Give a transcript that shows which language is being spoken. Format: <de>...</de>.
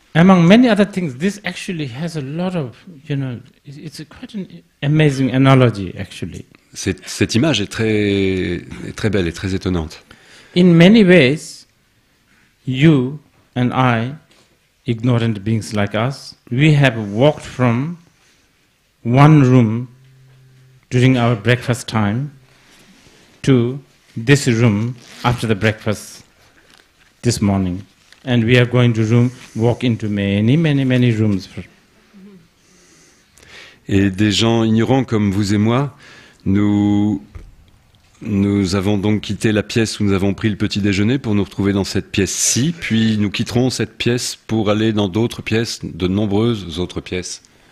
<en>Among many other things, this actually has a lot of, you know, it's a quite an amazing analogy actually.</en> <fr>Cette image est très belle et très étonnante.</fr> <en>In many ways, you and I, ignorant beings like us, we have walked from one room during our breakfast time to this room after the breakfast this morning, and we are going to walk into many, many, many rooms.</en> <fr>Et des gens ignorants comme vous et moi, nous avons donc quitté la pièce où nous avons pris le petit déjeuner pour nous retrouver dans cette pièce-ci, puis nous quitterons cette pièce pour aller dans d'autres pièces, de nombreuses autres pièces.</fr>